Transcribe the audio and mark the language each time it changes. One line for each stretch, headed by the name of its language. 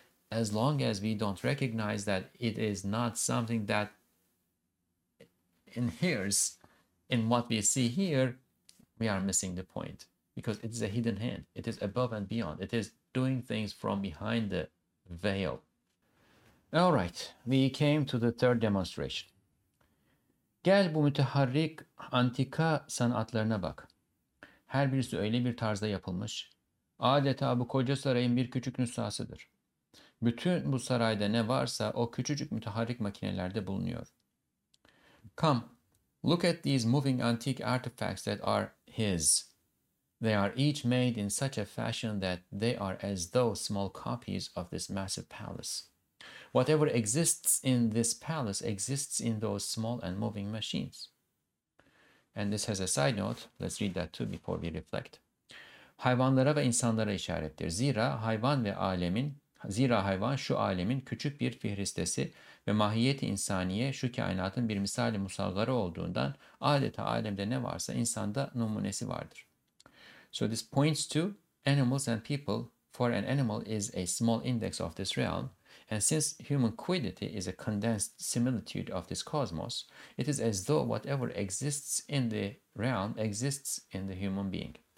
English: As long as we don't recognize that it is not something that inheres in what we see here, we are missing the point, because it is a hidden hand. It is above and beyond. It is doing things from behind the veil. All right, we came to the third demonstration.
Turkish: Gel bu müteharrik antika sanatlarına bak. Her birisi öyle bir tarzda yapılmış. Adeta bu koca sarayın bir küçük nüshasıdır. Bütün bu sarayda ne varsa o küçücük müteharrik makinelerde bulunuyor.
English: Come, look at these moving antique artifacts that are his. They are each made in such a fashion that they are as though small copies of this massive palace. Whatever exists in this palace exists in those small and moving machines. And this has a side note. Let's read that too before we reflect.
Turkish: hayvanlara ve insanlara işarettir. Zira hayvan şu alemin küçük bir fihristesi ve mahiyet-i insaniye şu kainatın bir misali musavvarı olduğundan adeta alemde ne varsa insanda numunesi vardır.
English: So this points to animals and people, for an animal is a small index of this realm, and since human quiddity is a condensed similitude of this cosmos, it is as though whatever exists in the realm exists in the human being.